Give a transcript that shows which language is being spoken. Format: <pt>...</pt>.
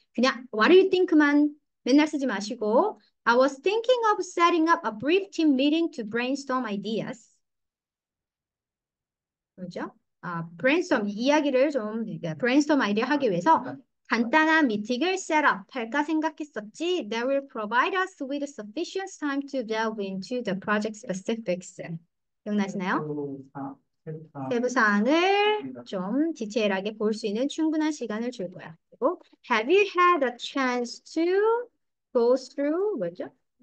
<ko>그냥</ko> <en>What do you think만</en> <ko>맨날 쓰지 마시고,</ko> <en>I was thinking of setting up a brief team meeting to brainstorm ideas.</en> <ko>그렇죠? 브레인스톰 이야기를 좀 브레인스톰 아이디어 하기 위해서 간단한 미팅을 셋업 할까 생각했었지.</ko> <en>That will provide us with sufficient time to delve into the project specifics.</en> <ko>기억나시나요? 세부 사항을 좀 디테일하게 볼수 있는 충분한 시간을 줄 거야. 그리고</ko> <en>Have you had a chance to go through</en> <ko>뭐죠?</ko>